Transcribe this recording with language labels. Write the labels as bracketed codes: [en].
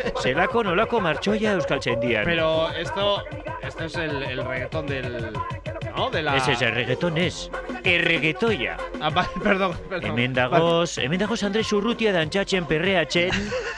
[eu] Zelako nolako marchoia Euskal Txandian. [es] Pero esto es el reggaetón del... ¿No? De la... Ese es el reggaetón, es. El reggaetoia. Ah, perdón. [eu] Hemen dagoz Andres Urrutia dantxatzen perreatzen...